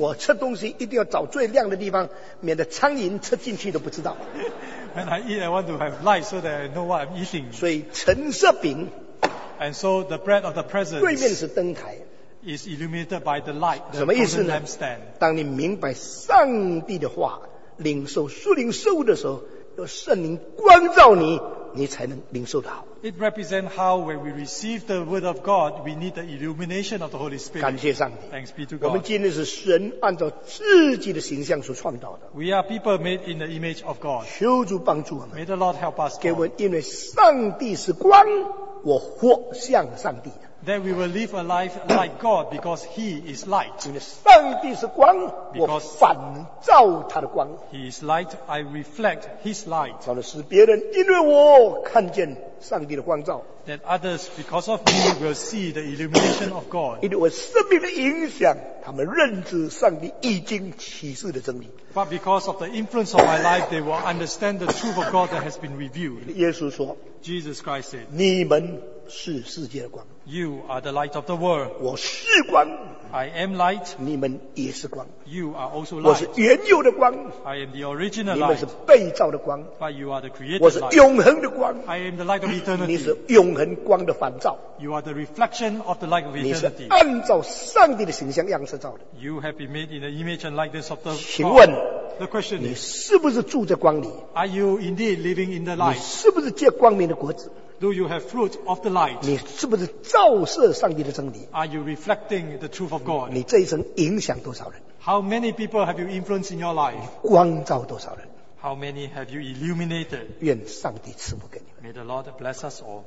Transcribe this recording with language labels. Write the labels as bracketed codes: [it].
[zh] 我吃东西一定要找最亮的地方，免得苍蝇吃进去都不知道。 [en] When I eat, I want to have light so that I know what I'm eating. [zh] 所以陈设饼。 [en] And so the bread of the presence. [zh] 对面是灯台。 [en] is illuminated by the light. [zh] 什么意思呢？当你明白上帝的话，领受属灵事物的时候，有圣灵光照你，你才能领受得好。 [en] It represents how when we receive the word of God, we need the illumination of the Holy Spirit. [zh] 感谢上帝。 [en] Thanks be to God. [zh] 我们今天是神按照自己的形象所创造的。 [en] We are people made in the image of God. [zh] 求主帮助我们。 [en] May the Lord help us. [zh] 给我们，因为上帝是光，我活像上帝。 [en] That we will live a life like God because He is light. [zh] 因为上帝是光，我反照他的光。 [en] He is light, I reflect His light. [zh] 反而使别人因为我看见上帝的光照。 [en] That others because of me will see the illumination of God. [zh] 因为我生命的影响，他们认知上帝已经启示的真理。 [en] But because of the influence of my life, they will understand the truth of God that has been revealed. [zh] 耶稣说 [en] ，Jesus Christ said, [zh] 你们是世界的光。 [en] You are the light of the world. [zh] 我是光。 [en] I am light. [zh] 你们也是光。 [en] You are also light. [zh] 我是原有的光。 [en] I am the original light. [zh] 你们是被造的光。 [en] But you are the created light. [zh] 我是永恒的光。 [en] I am the light of eternity. [zh] 你是永恒光的反照。 [en] You are the reflection of the light of eternity. [zh] 你是按照上帝的形象样式造的。 [en] You have been made in the image and likeness of the God. [zh] 请问 [en] The question is, [zh] 你是不是住在光里？ [en] Are you indeed living in the light? [zh] 你是不是结光明的果子？ [en] Do you have fruit of the light? [zh] 你是不是照射上帝的真理？ [en] Are you reflecting the truth of God? [zh] 你这一生影响多少人？ [en] How many people have you influenced in your life? [zh] 你光照多少人？ [en] How many have you illuminated? [zh] 愿上帝赐福给你们。 [en] May the Lord bless us all.